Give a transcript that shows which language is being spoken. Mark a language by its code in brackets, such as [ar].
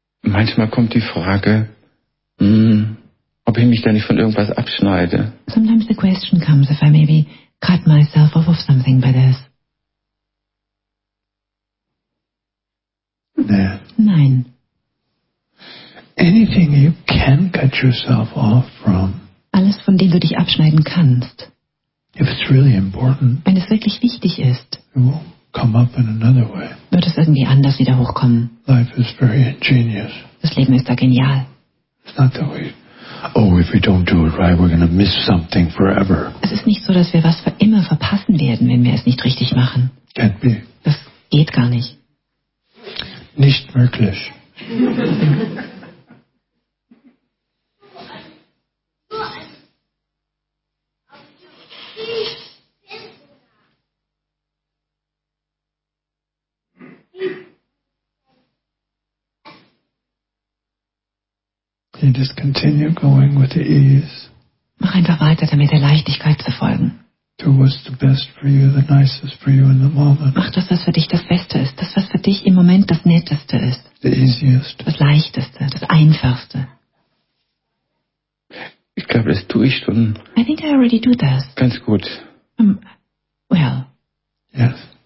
[de] Manchmal kommt die Frage, ob ich mich da nicht von irgendwas abschneide. [en] Sometimes the question comes if I maybe cut myself off of something by this. Nein. Anything you can cut yourself off from. [de] Alles, von dem du dich abschneiden kannst. [en] If it's really important. [de] Wenn es wirklich wichtig ist. [en] Come up in another way. [de] Wird es irgendwie anders wieder hochkommen. [en] Life is very ingenious. [de] Das Leben ist da genial. [en] It's not that we, oh, if we don't do it right, we're going to miss something forever. [de] Es ist nicht so, dass wir was für immer verpassen werden, wenn wir es nicht richtig machen. [en] Can't be. [de] Das geht gar nicht. Nicht möglich. [en] You just continue going with the ease. [de] Mach einfach weiter, damit der Leichtigkeit zu folgen. [en] Do what's the best for you, the nicest for you in the moment. [de] Mach das, was für dich das Beste ist, das, was für dich im Moment das Netteste ist. [en] The easiest. [de] Das Leichteste, das Einfachste. Ich glaube, das tue ich schon. [en] I think I already do this. [de] Ganz gut. [en] Well. Yes.